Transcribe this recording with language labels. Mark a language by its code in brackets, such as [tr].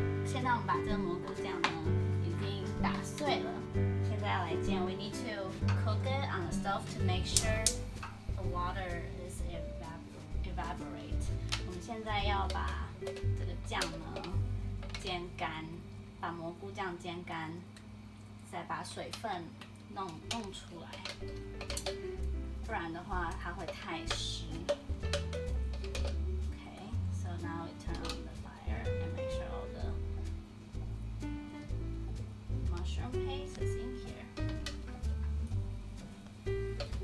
[zh] 现在我们把这个蘑菇酱呢已经打碎了。现在来煎 [en] we need to cook it on the stove to make sure the water is evaporate. [zh] 我们现在要把这个酱呢煎干，把蘑菇酱煎干，再把水分弄出来，不然的话它会太湿。 [en] Okay, so now we turn on the fire and make sure all the mushroom paste is in here.